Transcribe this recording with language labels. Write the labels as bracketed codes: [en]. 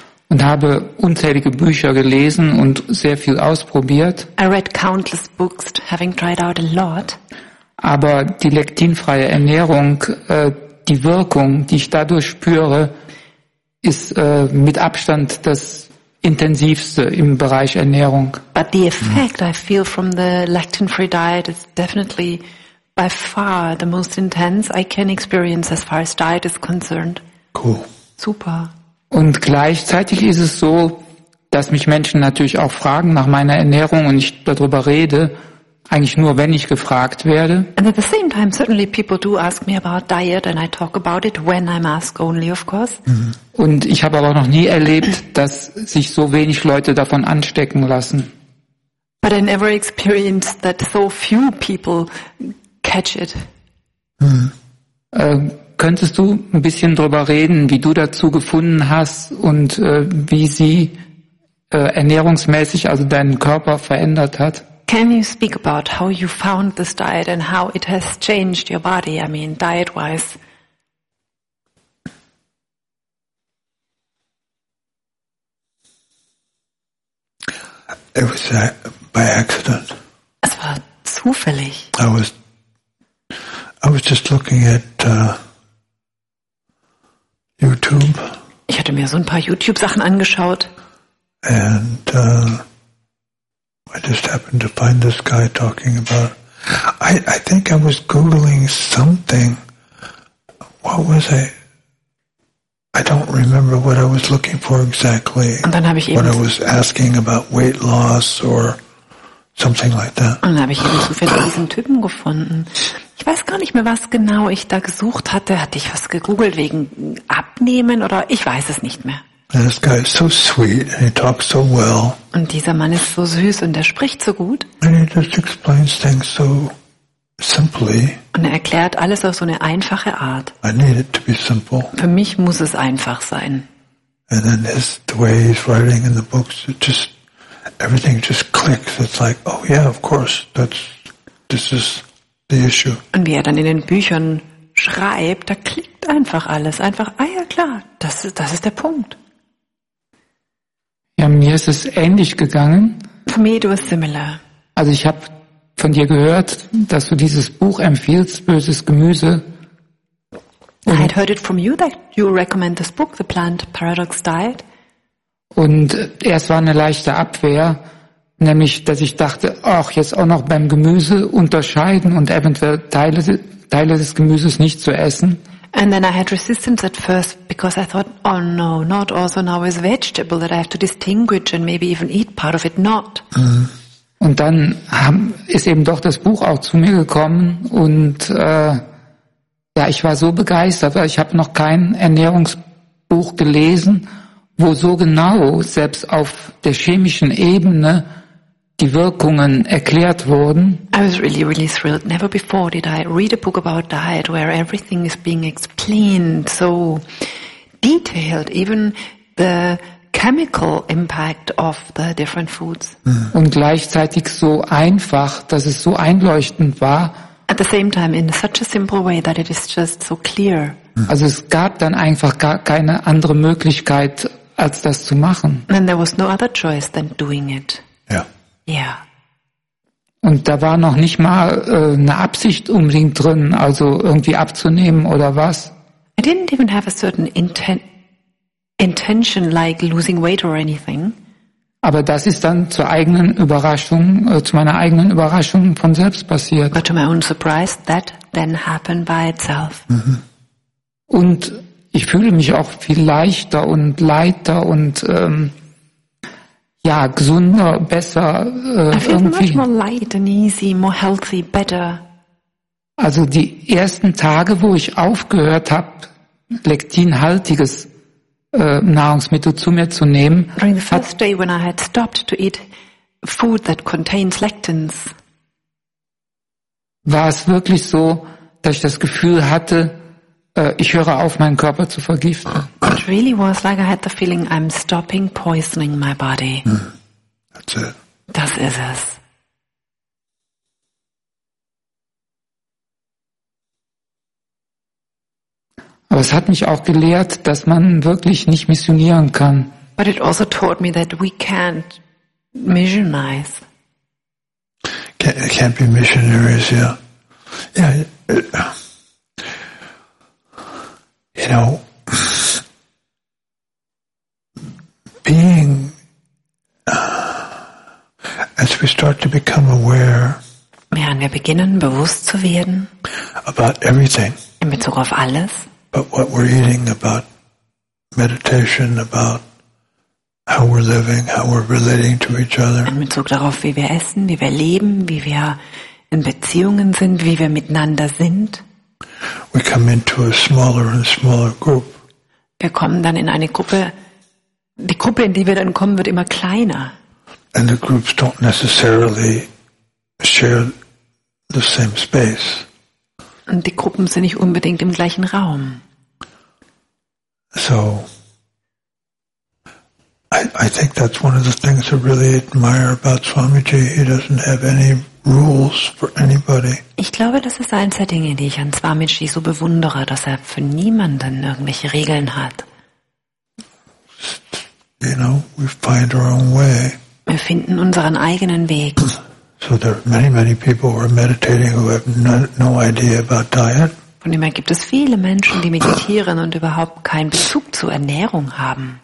[de] Und habe unzählige Bücher gelesen und sehr viel ausprobiert. [en] I read countless books, having tried out a lot. [de] Aber die lektinfreie Ernährung, die Wirkung, die ich dadurch spüre, ist mit Abstand das intensivste im Bereich Ernährung. [en] But the effect I feel from the lactin-free diet is definitely by far the most intense I can experience as far as diet is concerned. Cool. Super. [de] Und gleichzeitig ist es so, dass mich Menschen natürlich auch fragen nach meiner Ernährung und ich darüber rede, eigentlich nur wenn ich gefragt werde. [en] And at the same time certainly people do ask me about diet and I talk about it when I'm asked only, of course. [de] Und ich habe aber noch nie erlebt, dass sich so wenig Leute davon anstecken lassen. [en] But I never experienced that so few people catch it. [de] Könntest du ein bisschen drüber reden, wie du dazu gefunden hast und wie sie ernährungsmäßig also deinen Körper verändert hat? [en] Can you speak about how you found this diet and how it has changed your body, I mean, diet-wise? It was by accident. [de] Es war zufällig. [en] I was just looking at YouTube. [de] Ich hatte mir so ein paar YouTube-Sachen angeschaut. [en] And I just happened to find this guy talking about. I think I was googling something. What was I? I don't remember what I was looking for exactly. [de] Und dann habe ich eben [en] what I was asking about weight loss or something like that. [de] Und dann habe ich eben zufällig diesen Typen gefunden. Ich weiß gar nicht mehr, was genau ich da gesucht hatte. Hatte ich was gegoogelt wegen Abnehmen oder ich weiß es nicht mehr. [en] And this guy is so sweet and he talks so well. [de] Und dieser Mann ist so süß und er spricht so gut. [en] And he just explains things so simply. [de] Und er erklärt alles auf so eine einfache Art. [en] I need it to be simple. [de] Für mich muss es einfach sein. [en] And then the way he's writing in the books, it just everything just clicks. It's like, oh yeah, of course, this is the issue. [de] Und wie er dann in den Büchern schreibt, da klickt einfach alles. Einfach, ah ja klar, das ist der Punkt. Ja, mir ist es ähnlich gegangen. [en] For me it was similar. [de] Also ich habe von dir gehört, dass du dieses Buch empfiehlst, Böses Gemüse. [en] I had heard it from you that you recommend this book, The Plant Paradox Diet. [de] Und erst war eine leichte Abwehr, nämlich, dass ich dachte, ach, jetzt auch noch beim Gemüse unterscheiden und eventuell Teile des Gemüses nicht zu essen. [en] And then I had resistance at first because I thought, oh no, not also now is vegetable that I have to distinguish and maybe even eat part of it not. [de] Und dann ist eben doch das Buch auch zu mir gekommen und ja, ich war so begeistert, weil ich habe noch kein Ernährungsbuch gelesen, wo so genau selbst auf der chemischen Ebene die Wirkungen erklärt wurden. [en] I was really, really thrilled. Never before did I read a book about diet where everything is being explained so detailed, even the chemical impact of the different foods. [de] Und gleichzeitig so einfach, dass es so einleuchtend war. [en] At the same time, in such a simple way that it is just so clear. [de] Also es gab dann einfach gar keine andere Möglichkeit, als das zu machen. [en] And there was no other choice than doing it. [de] Ja. Ja. Und da war noch nicht mal eine Absicht unbedingt drin, also irgendwie abzunehmen oder was. [en] I didn't even have a certain intention like losing weight or anything. [de] Aber das ist dann zur eigenen Überraschung, zu meiner eigenen Überraschung von selbst passiert. [en] But to my own surprise, that then happened by itself. Mhm. [de] Und ich fühle mich auch viel leichter und leichter und ja, gesünder, besser irgendwie. [en] I feel much more light and easy, more healthy, better. [de] Also die ersten Tage, wo ich aufgehört habe, lektinhaltiges Nahrungsmittel zu mir zu nehmen. [en] During the first day when I had stopped to eat food that contains lectins, [de] war es wirklich so, dass ich das Gefühl hatte, ich höre auf, meinen Körper zu vergiften. [en] It really was like I had the feeling I'm stopping poisoning my body. That's it. [de] Das ist es. Aber es hat mich auch gelehrt, dass man wirklich nicht missionieren kann. [en] But it also taught me that we can't missionize. Can't be missionaries, yeah. Yeah. You know, being, as we start to become aware, [de] ja, wir beginnen bewusst zu werden, [en] about everything, [de] in Bezug auf alles, [en] about what we're eating, about meditation, about how we're living, how we're relating to each other. [de] In Bezug darauf, wie wir essen, wie wir leben, wie wir in Beziehungen sind, wie wir miteinander sind. [en] We come into a smaller and smaller group. [de] Wir kommen dann in eine Gruppe. Die Gruppe, in die wir dann kommen, wird immer kleiner. [en] And the groups don't necessarily share the same space. [de] Und die Gruppen sind nicht unbedingt im gleichen Raum. [en] So, I think that's one of the things I really admire about Swamiji. He doesn't have any rules for anybody. [de] Ich glaube, das ist eines der Dinge, die ich an Swamiji so bewundere, dass er für niemanden irgendwelche Regeln hat. [en] You know, we find our own way. [de] Wir finden unseren eigenen Weg. [en] So there are many, many people who are meditating who have no idea about diet. [de] Von dem her gibt es viele Menschen, die meditieren und überhaupt keinen Bezug zur Ernährung haben.